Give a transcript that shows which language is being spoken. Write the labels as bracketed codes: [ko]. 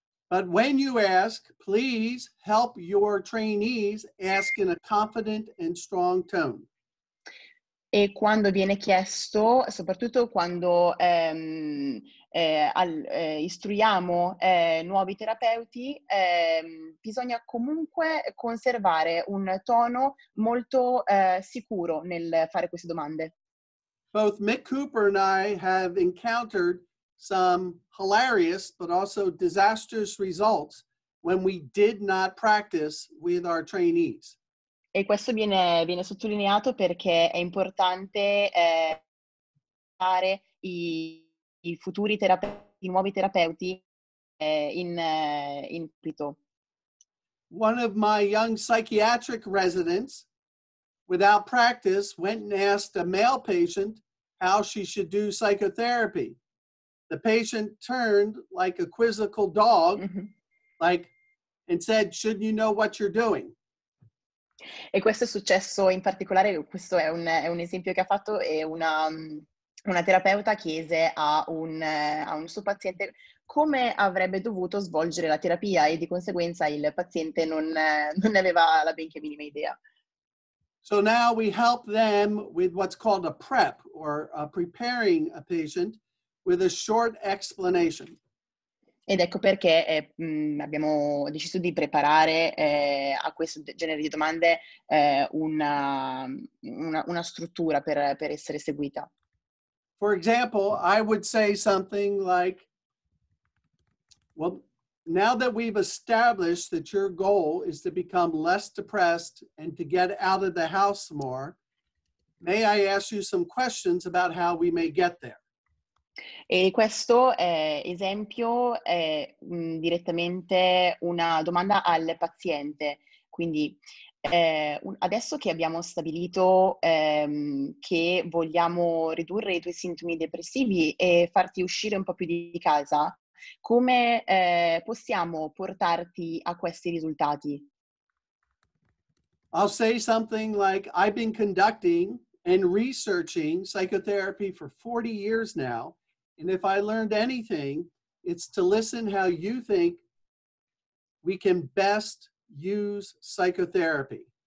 [en] But when you ask, please help your trainees ask in a confident and strong tone. [it] E quando viene chiesto, soprattutto quando istruiamo nuovi terapeuti, bisogna comunque conservare un tono molto sicuro nel fare queste domande. [en] Both Mick Cooper and I have encountered some hilarious but also disastrous results when we did not practice with our trainees. [it] E questo viene sottolineato perché è importante fare i futuri terapeuti, i nuovi terapeuti in pito. [en] One of my young psychiatric residents, without practice, went and asked a male patient how she should do psychotherapy. The patient turned like a quizzical dog, like, and said, "Shouldn't you know what you're doing?" [it] E questo è successo in particolare, questo è un esempio che ha fatto, e una terapeuta chiese a un suo paziente come avrebbe dovuto svolgere la terapia e di conseguenza il paziente non aveva la benché minima idea. [en] So now we help them with what's called a prep or a preparing a patient with a short explanation. [it] Ed ecco perché abbiamo deciso di preparare a questo genere di domande una struttura per essere seguita. [en] For example, I would say something like, well, now that we've established that your goal is to become less depressed and to get out of the house more, may I ask you some questions about how we may get there? [it] E questo esempio è direttamente una domanda al paziente. Quindi adesso che abbiamo stabilito che vogliamo ridurre i tuoi sintomi depressivi e farti uscire un po' più di casa, come possiamo portarti a questi risultati? [en] I'll say something like, I've been conducting and researching psychotherapy for 40 years now. And if I learned anything, it's to listen how you think we can best use psychotherapy.